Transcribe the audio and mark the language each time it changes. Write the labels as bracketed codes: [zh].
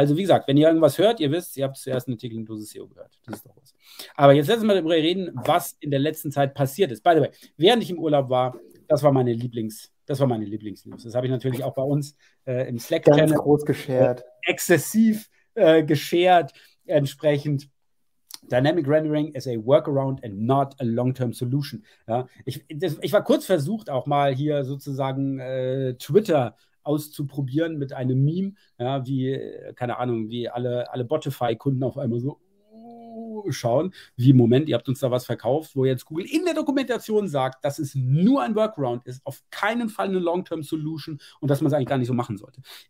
[de] Also wie gesagt, wenn ihr irgendwas hört, ihr wisst, ihr habt zuerst einen Artikel in Dosis SEO gehört, das ist doch was. Aber jetzt lassen wir mal darüber reden, was in der letzten Zeit passiert ist. [en] By the way, [de] während ich im Urlaub war, das war meine Lieblingsnews. Das habe ich natürlich auch bei uns im Slack-Channel ganz groß geshared. Exzessiv geshared entsprechend. [en] Dynamic Rendering is a workaround and not a long-term solution. [de] Ja, ich war kurz versucht, auch mal hier sozusagen Twitter auszuprobieren mit einem Meme, ja, wie, keine Ahnung, wie alle Botify-Kunden auf einmal so schauen, wie, Moment, ihr habt uns da was verkauft, wo jetzt Google in der Dokumentation sagt, dass es nur ein Workaround ist, auf keinen Fall eine Long-Term-Solution und dass man es eigentlich gar nicht so machen sollte.